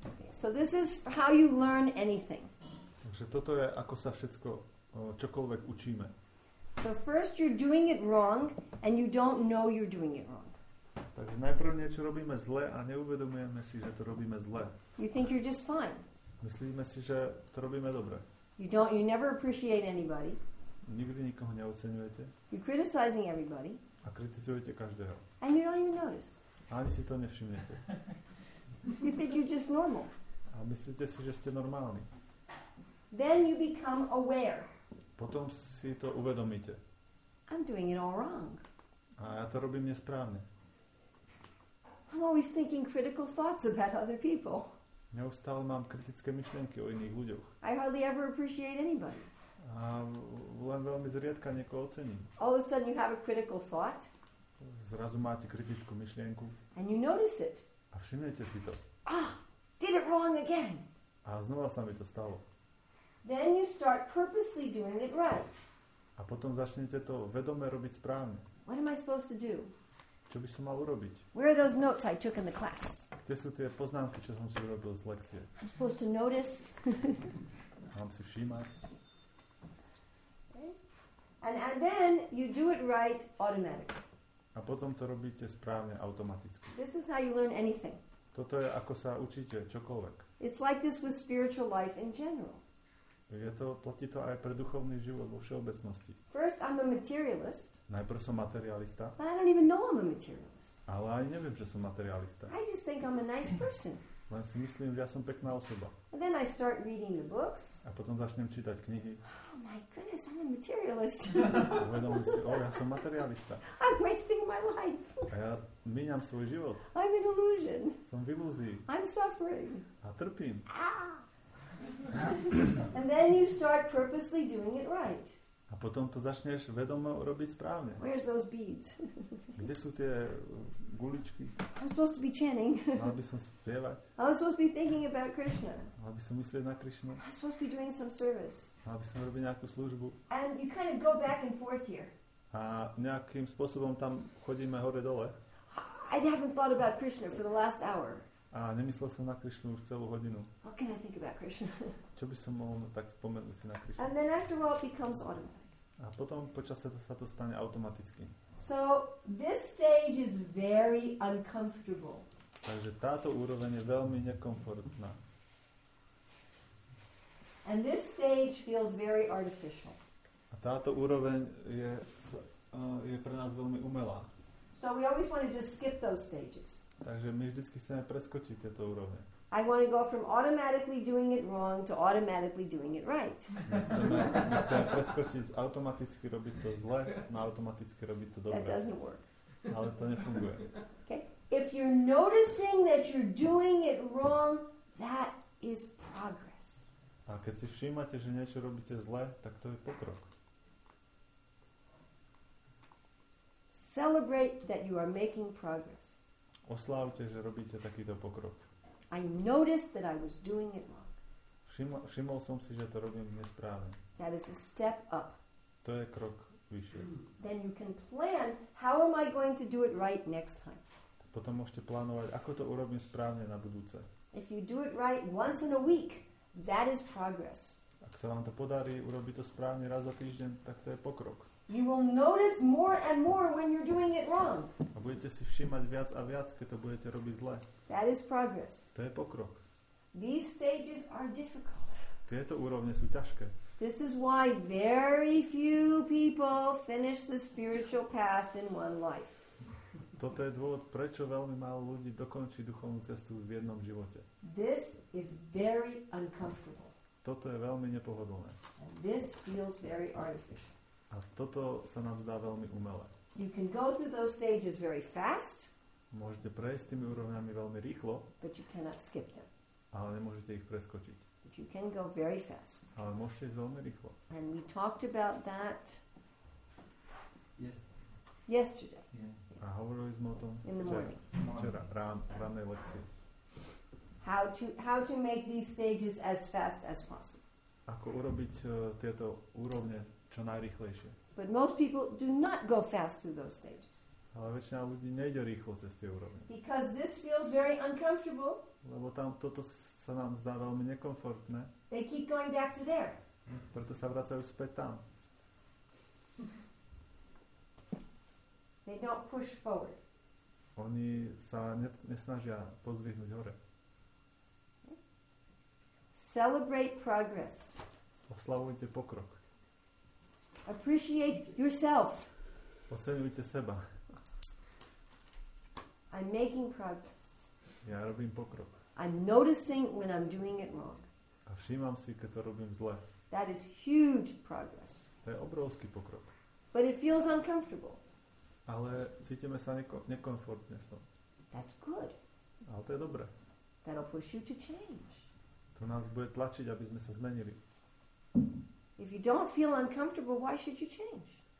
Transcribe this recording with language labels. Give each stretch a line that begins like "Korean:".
English: So this is how you learn anything.
Slovak: Takže toto je ako sa všetko čokoľvek učíme.
English: So first you're doing it wrong and you don't know you're doing it wrong.
Slovak: Takže najprv niečo robíme zle a neuvedomujeme si, že to robíme zle.
English: You think you're just fine.
Slovak: Myslíme si, že to robíme dobre.
English: You never appreciate anybody.
Slovak: Nikdy nikoho neoceňujete.
English: You're criticizing everybody.
Slovak: A kritizujete každého.
English: And you don't even notice.
Slovak: A ani si to nevšimnete.
English: You think you're just normal.
Slovak: A myslíte si, že ste normálni.
English: Then you become aware.
Slovak: Potom si to uvedomíte.
English: I'm doing it all wrong.
Slovak: A ja to robím nesprávne.
English: I'm always thinking critical thoughts about other people.
Slovak: Neustále mám kritické myšlienky o iných ľuďoch.
English: I hardly ever appreciate anybody.
Slovak: A len veľmi zriedka niekoho ocením.
English: All of a sudden you have a critical thought.
Slovak: Zrazu máte kritickú myšlienku.
English: And you notice it.
Slovak: A všimnete si to.
English: Ah, did it wrong again.
Slovak: A znova sa mi to stalo.
English: Then you start purposely doing it right.
Slovak: A potom začnete to vedome robiť správne.
English: What am I supposed to do?
Slovak: Čo by som mal urobiť?
English: Where are those notes I took in the class?
Slovak: Kde sú tie poznámky, čo som si urobil z lekcie?
English: I'm supposed to notice.
Slovak: Mám si všímať.
English: Okay. And then you do it right automatically.
Slovak: A potom to robíte správne automaticky.
English: This is how you learn anything.
Slovak: Toto je ako sa učíte čokoľvek.
English: It's like this with spiritual life in general.
Slovak: Je to, platí to aj pre duchovný život vo všeobecnosti.
English: First I'm a materialist.
Slovak: Najprv som materialista.
English: But I don't even know I'm a materialist.
Slovak: Ale aj neviem, že som materialista.
English: I just think I'm a nice person.
Slovak: Len si myslím, že ja som pekná osoba.
English: And then I start reading the books.
Slovak: A potom začnem čítať knihy.
English: Oh my goodness, I'm a materialist.
Slovak: Uvedomuj si, oh, ja som materialista.
English: I'm wasting my life.
Slovak: A ja míňam svoj život.
English: I'm an illusion.
Slovak: Som v ilúzii.
English: I'm suffering.
Slovak: A trpím. Ah.
English: And then you start purposely doing it right.
Slovak: A potom to začneš vedomo robiť správne.
English: Where's those beads?
Slovak: Kde sú tie guličky?
English: I'm supposed to be chanting.
Slovak: Mal by som spievať.
English: I'm supposed to be thinking about Krishna.
Slovak: Mal by som myslieť na Krishnu.
English: I'm supposed to be doing some service.
Slovak: Mal by som robiť nejakú službu.
English: And you kind of go back and forth here.
Slovak: A nejakým spôsobom tam chodíme hore dole.
English: I haven't thought about Krishna for the last hour.
Slovak: A nemyslel som na Krishnu už celú hodinu.
English: What can I think about Krishna?
Slovak: Čo by som mohol tak spomenúť si na Krishnu?
English: And then after all it becomes automatic.
Slovak: A potom počase sa to stane automaticky.
English: So this stage is very uncomfortable.
Slovak: Takže táto úroveň je veľmi nekomfortná.
English: And this stage feels very artificial.
Slovak: A táto úroveň je je pre nás veľmi umelá.
English: So we always want to just skip those stages.
Slovak: Takže my vždycky chceme preskočiť tieto úrovne.
English: I want to go from automatically doing it wrong to automatically doing it right.
Slovak: Chceme preskočiť z automaticky robiť to zle na automaticky robiť to dobre.
English: That doesn't work.
Slovak: Ale to nefunguje.
English: Okay? If you're noticing that you're doing it wrong, that is progress.
Slovak: A keď si všímate, že niečo robíte zle, tak to je pokrok.
English: Celebrate that you are making progress.
Slovak: Oslávte, že robíte takýto pokrok.
English: I noticed that I was doing it wrong.
Slovak: Všimol som si, že to robím nesprávne.
English: That is a step up.
Slovak: To je krok vyššie.
English: Then you can plan how am I going to do it right next time.
Slovak: Potom môžete plánovať, ako to urobím správne na budúce.
English: If you do it right once in a week, that is progress.
Slovak: Ak sa vám to podarí urobiť to správne raz za týždeň, tak to je pokrok.
English: You will notice more and more when you're doing it wrong.
Slovak: A budete si všímať viac a viac, keď to budete robiť zle.
English: That is progress.
Slovak: To je pokrok.
English: These stages are difficult.
Slovak: Tieto úrovne sú ťažké.
English: This is why very few people finish the spiritual path in one life.
Slovak: Toto je dôvod, prečo veľmi málo ľudí dokončí duchovnú cestu v jednom živote.
English: This is very uncomfortable.
Slovak: Toto je veľmi nepohodlné.
English: And this feels very artificial.
Slovak: A toto sa nám zdá veľmi umelé.
English: You can go through those stages very fast.
Slovak: Môžete prejsť tými úrovňami veľmi rýchlo.
English: But you cannot skip them.
Slovak: Ale nemôžete ich preskočiť.
English: But you can go very fast.
Slovak: Ale môžete ísť veľmi rýchlo.
English: And we talked about that yesterday.
Slovak: A hovorili sme o tom včera, ranej lekcii.
English: How to make these stages as fast as possible.
Slovak: Ako urobiť tieto úrovne čo najrýchlejšie.
English: But most people do not go fast through those stages.
Slovak: Ale väčšina ľudí nejde rýchlo cez tie úrovne.
English: Because this feels very uncomfortable.
Slovak: Lebo tam toto sa nám zdá veľmi nekomfortné.
English: They keep going back to there.
Slovak: Preto sa vracajú späť tam.
English: They don't push forward.
Slovak: Oni sa nesnažia pozdvihnúť hore.
English: Celebrate progress.
Slovak: Oslavujte pokrok.
English: Appreciate yourself.
Slovak: Oceňujte seba.
English: I'm making progress.
Slovak: Ja robím pokrok.
English: I'm noticing when I'm doing it wrong.
Slovak: A všímam si, keď to robím zle.
English: That is huge progress.
Slovak: To je obrovský pokrok.
English: But it feels uncomfortable.
Slovak: Ale cítime sa nekomfortne v tom.
English: That's good.
Slovak: Ale to je dobré.
English: That'll push you to change.
Slovak: To nás bude tlačiť, aby sme sa zmenili.
English: If you don't feel uncomfortable, why should you change?